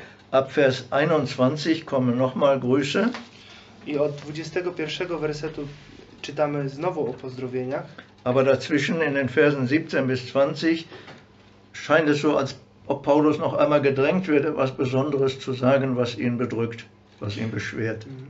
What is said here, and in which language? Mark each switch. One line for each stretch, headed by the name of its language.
German: Ab Vers 21 kommen nochmal Grüße.
Polish: I od 21 wersetu czytamy znowu o pozdrowieniach.
German: Aber dazwischen in den Versen 17 bis 20 scheint es so, als ob Paulus noch einmal gedrängt wird, etwas Besonderes zu sagen, was ihn bedrückt, was ihn beschwert.